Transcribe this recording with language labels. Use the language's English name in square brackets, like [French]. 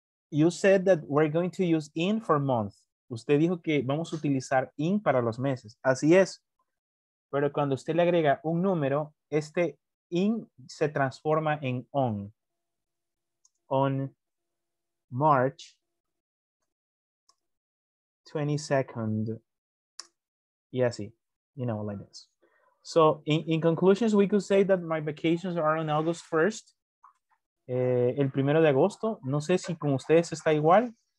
[English] You said that we're going to use in for month. [Spanish] Usted dijo que vamos a utilizar in para los meses. Así es. Pero cuando usted le agrega un número, este in se transforma en on. [English] On March 22nd. [Spanish] Y así. [English] You know, like this. So, in conclusion, we could say that my vacations are on August 1st. [Spanish] El primero de agosto, no sé si con ustedes está igual.